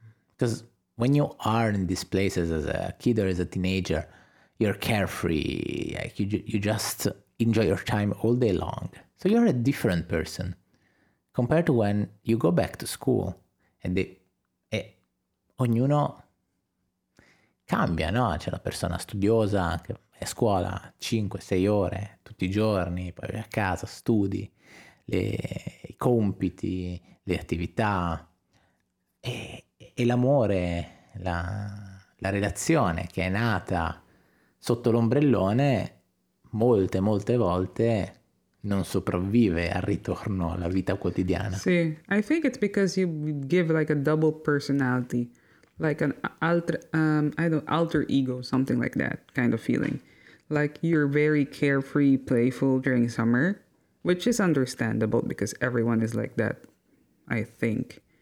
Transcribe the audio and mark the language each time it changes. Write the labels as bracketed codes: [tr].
[en] Because when you are in these places as a kid or as a teenager, you're carefree, like you just enjoy your time all day long. So you're a different person compared to when you go back to school. [it] E ognuno cambia, no? C'è la persona studiosa che è a scuola 5-6 ore tutti i giorni, poi a casa studi, i compiti, le attività, e l'amore, la relazione che è nata sotto l'ombrellone molte volte non sopravvive al ritorno alla vita quotidiana. [en] Sì, I think it's because you give like a double personality, like an alter ego, something like that kind of feeling. Like you're very carefree, playful during summer, which is understandable because everyone is like that, I think.